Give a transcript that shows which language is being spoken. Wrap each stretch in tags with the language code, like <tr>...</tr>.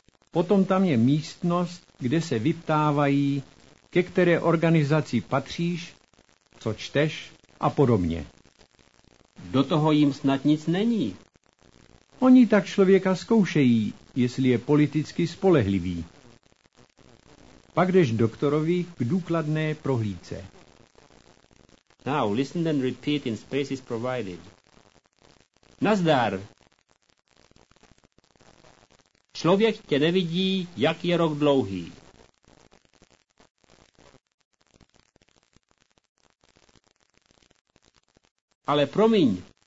<cs>Potom tam je místnost, kde se vyptávají, ke které organizaci patříš, co čteš a podobně. Do toho jim snad nic není. Oni tak člověka zkoušejí, jestli je politicky spolehlivý. Pak jdeš doktorovi k důkladné prohlídce.</cs> <en>Now listen and repeat in spaces provided.</en> <cs>Nazdar. Člověk tě nevidí, jak je rok dlouhý. Ale promiň.</cs>